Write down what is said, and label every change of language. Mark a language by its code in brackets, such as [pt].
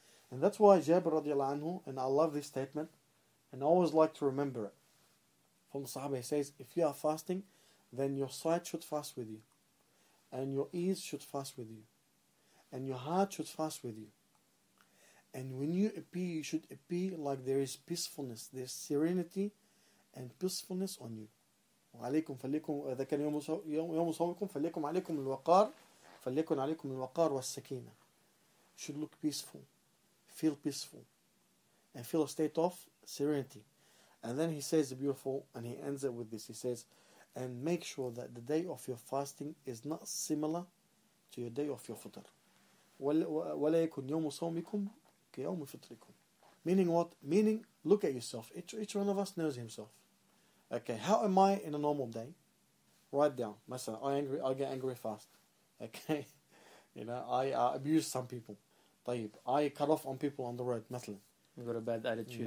[en] And that's why Jabir radiallahu anhu, and I love this statement, and I always like to remember it, from the Sahaba, he says, if you are fasting, then your sight should fast with you, and your ears should fast with you, and your heart should fast with you. And when you appear, you should appear like there is peacefulness, there's serenity and peacefulness on you. [ar] وعليكم فليكم إذا كان يوم صومكم فليكم عليكم الوقار فليكن عليكم الوقار والسكينة. [en] Should look peaceful, feel peaceful, and feel a state of serenity. And then he says beautiful, and he ends it with this. He says, and make sure that the day of your fasting is not similar to your day of your futr. [ar] ولا يكون يوم صومكم كيوم فطركم. [en] Meaning what? Meaning, look at yourself. Each one of us knows himself. Okay, how am I in a normal day? Write down. Masala, I get angry fast. Okay? You know, I abuse some people. Tayyib. I cut off on people on the road. Masala. You've got a bad attitude.